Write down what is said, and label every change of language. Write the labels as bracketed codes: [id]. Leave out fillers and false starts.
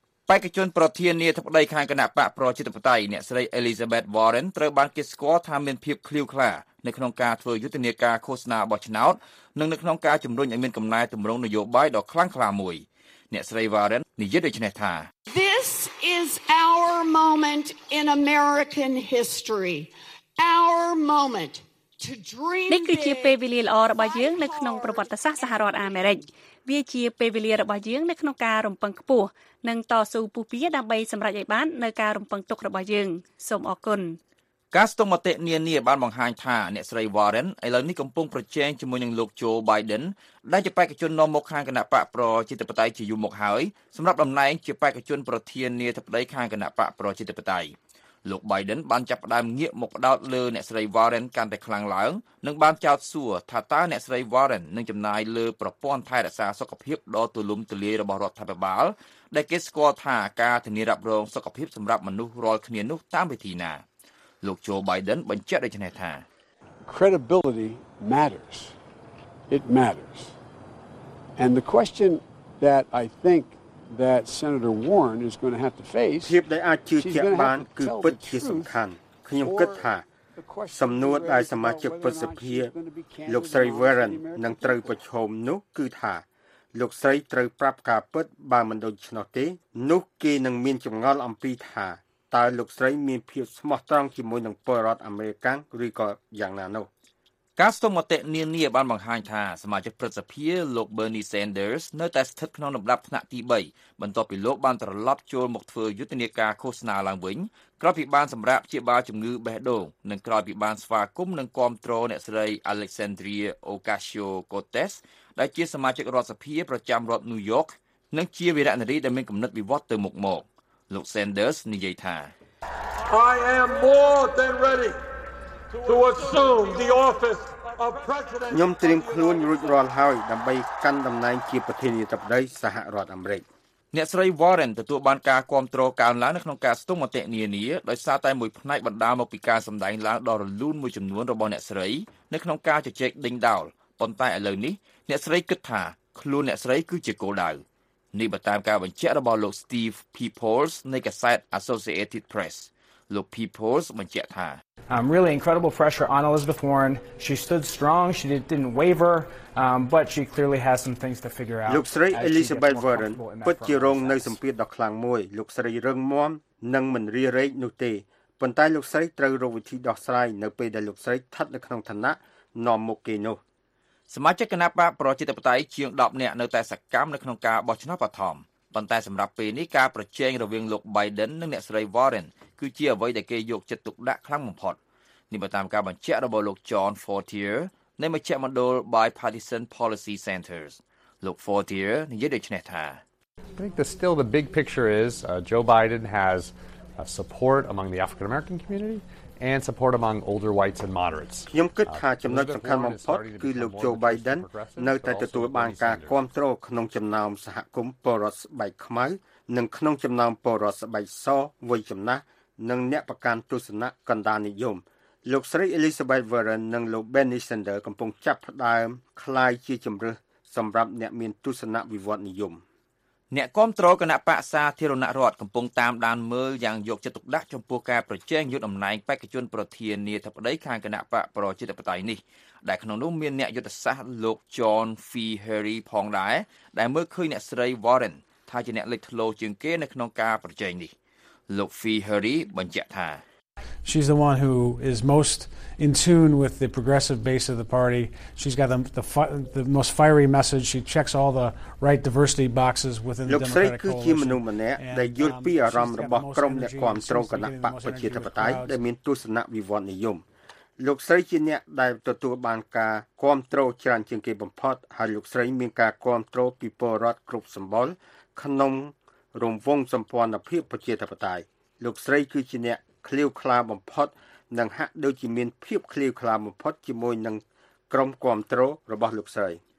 [km] បេក្ខជនប្រធានាធិបតីខាងគណៈបកប្រជាធិបតេយ្យអ្នកស្រី Elizabeth Warren ត្រូវបានគេស្គាល់ថាមានភាពឃ្លាវឆ្លាតនៅក្នុងការធ្វើយុទ្ធនាការឃោសនាបោះឆ្នោតនិងនៅក្នុងការជំរុញឲ្យមានកំណែទម្រង់នយោបាយដ៏ខ្លាំងក្លាមួយអ្នកស្រី Warren និយាយដូចនេះថា [en] This is our moment in American history. Our moment to dream. [km] នេះគឺជាពេលវេលាល្អរបស់យើងនៅក្នុងប្រវត្តិសាស្ត្រសហរដ្ឋអាមេរិក។វាជាពេលវេលារបស់យើងនៅក្នុងការរំពឹងខ្ពស់និងតស៊ូពុះពារដើម្បីសម្រេចឲ្យបាននូវការរំពឹងទុករបស់យើង។សូមអរគុណ ។ការស្ទង់មតិនានាបានបង្ហាញថាអ្នកស្រី Warren ឥឡូវនេះកំពុងប្រជែងជាមួយនឹងលោក Joe Biden. ដែលជាបេក្ខជននាំមុខខាងគណៈបកប្រជាធិបតេយ្យជាយូរមកហើយសម្រាប់តំណែងជាបេក្ខជនប្រធានាធិបតីខាងគណៈបកប្រជាធិបតេយ្យលោក Biden បានចាប់ផ្ដើមងាកមកផ្ដោតលើអ្នកស្រី Warren កាន់តែខ្លាំងឡើងនិងបានចោទសួរថាតើអ្នកស្រី Warren នឹងចំណាយលើប្រព័ន្ធថែរក្សាសុខភាពដ៏ទូលំទូលាយរបស់រដ្ឋាភិបាលដែលគេស្គាល់ថាការធានារ៉ាប់រងសុខភាពសម្រាប់មនុស្សរាល់គ្នានោះតាមវិធីណាលោក Joe Biden បញ្ជាក់ដូចនេះថា [en] Credibility mattersIt matters. And the question that I think that Senator Warren is going to have to face [km] ពីដែលអាចជឿជាក់បានគឺពិតជាសំខាន់ខ្ញុំគិតថាសំណួរដែលសមាជិកប្រសិទ្ធិលោកស្រី Warren នឹងត្រូវប្រឈមនោះគឺថាលោកស្រីត្រូវប្រាប់ការពិតបើមិនដូច្នោះទេនោះគេនឹងមានចម្ងល់អំពីថាតើលោកស្រីមានភាពស្មោះត្រង់ជាមួយនឹងពលរដ្ឋអាមេរិកឬក៏យ៉ាងណានោះ ការស្ទង់មតិនានាបានបង្ហាញថាសមាជិកប្រសិទ្ធិលោក Bernie Sanders នៅតែស្ថិតក្នុងលំដាប់ថ្នាក់ទី3បន្ទាប់ពីលោកបានត្រឡប់ចូលមកធ្វើយុទ្ធនាការឃោសនាឡើងវិញក្រោយពីបានសម្រាកព្យាបាលជំងឺបេះដូងនិងក្រោយពីបានស្វាគមន៍និងគាំទ្រអ្នកស្រី Alexandria Ocasio-Cortez ដែលជាសមាជិករដ្ឋសភាប្រចាំរដ្ឋ New York និងជាវីរនារីដែលមានគំនិតវិវឌ្ឍទៅមុខមកលោក Sanders និយាយថា [en] I am more than readyto assume the office of president [km] ខ្ញុំត្រៀមខ្លួនរួចរាល់ហើយដើម្បីកាន់តំណែងជាប្រធានាធិបតីសហរដ្ឋអាមេរិក អ្នកស្រី Warren ទទួលបានការគាំទ្រកើនឡើងនៅក្នុងការស្ទង់មតិនានាដោយសារតែមួយផ្នែកបណ្ដាលមកពីការសម្ដែងឡើងដ៏រលូនមួយចំនួនរបស់អ្នកស្រីនៅក្នុងការជជែកដេញដោលប៉ុន្តែឥឡូវនេះអ្នកស្រីគិតថាខ្លួនអ្នកស្រីគឺជាគោលដៅនេះបើតាមការបញ្ជាក់របស់លោក Steve Peoples នៃកាសែត Associated Press លោក Peoples បញ្ជាក់ថា [en] I'm really incredible pressure on Elizabeth Warren. She stood strong. She didn't waver, but she clearly has some things to figure out. [km] លោកស្រី Elizabeth Warren ពិតជារងនៅសម្ពាធដ៏ខ្លាំងមួយ។លោកស្រីរឹងមាំនិងមិនរារែកនោះទេ។ប៉ុន្តែលោកស្រីត្រូវរកវិធីដោះស្រាយនៅពេលដែលលោកស្រីស្ថិតនៅក្នុងឋានៈនាំមុខគេនោះ ។សមាជិកគណៈបកប្រជាធិបតេយ្យជាង10នាក់នៅតែសកម្មនៅក្នុងការបោះឆ្នោតបឋម។ ប៉ុន្តែសម្រាប់ពេលនេះការប្រជែងរវាងលោក Biden និងអ្នកស្រី Warren គឺជាអ្វីដែលគេយកចិត្តទុកដាក់ខ្លាំងបំផុតនេះតាមការបញ្ជាក់របស់លោក John Fortier នៃមជ្ឈមណ្ឌល Bipartisan Policy Centers លោក Fortier និយាយដូចនេះថា [en] I think that still the big picture is Joe Biden has support among the African American community. And support among older whites and moderates. [km] ខ្ញុំគិតថាចំណុចសំខាន់បំផុតគឺលោក Joe Biden នៅតែទទួលបានការគាំទ្រក្នុងចំណោមសហគមន៍ពលរដ្ឋស្បែកខ្មៅនិងក្នុងចំណោមពលរដ្ឋស្បែកសវ័យចំណាស់និងអ្នកប្រកាន់ទស្សនៈកណ្ដាលនិយមលោកស្រី Elizabeth Warren និងលោក Bernie Sanders កំពុងចាប់ផ្ដើមคล้ายជាជំរើសសម្រាប់អ្នកមានទស្សនៈវិវត្តនិយម អ្នកគាំទ្រគណៈបក្សសាធារណរដ្ឋកំពុងតាមដានមើលយ៉ាងយកចិត្តទុកដាក់ចំពោះការប្រជែងយុទ្ធនាការបេក្ខជនប្រធានាធិបតីខាងគណៈបក្សប្រជាធិបតេយ្យនេះដែលក្នុងនោះមានអ្នកយុទ្ធសាស្ត្រលោក John F. Harry ផងដែរដែលមើលឃើញអ្នកស្រី Warren ថាជាអ្នកលេចធ្លោជាងគេនៅក្នុងការប្រជែងនេះលោក F. Harry បញ្ជាក់ថា [en] She's the one who is most in tune with the progressive base of the party. She's got the most fiery message. She checks all the right diversity boxes within the Democratic coalition. [km] លោកស្រីគឺជាមនុស្សម្នាក់ដែលយល់ពីអារម្មណ៍របស់ក្រុមអ្នកគាំទ្រគណបក្សប្រជាធិបតេយ្យដែលមានទស្សនៈវិវត្តនិយមលោកស្រីជាអ្នកដែលទទួលបានការគាំទ្រច្រើនជាងគេបំផុតហើយលោកស្រីមានការគាំទ្រពីប្រជាពលរដ្ឋគ្រប់សម្បល់ក្នុងរង្វង់សម្ព័ន្ធភាពប្រជាធិបតេយ្យលោកស្រីគឺជាអ្នកក្លៀវក្លាបំផុតនឹងហាក់ដូចជាមានភាពក្លៀវក្លាបំផុតជាមួយនឹងក្រុមគាំទ្ររបស់លោកស្រី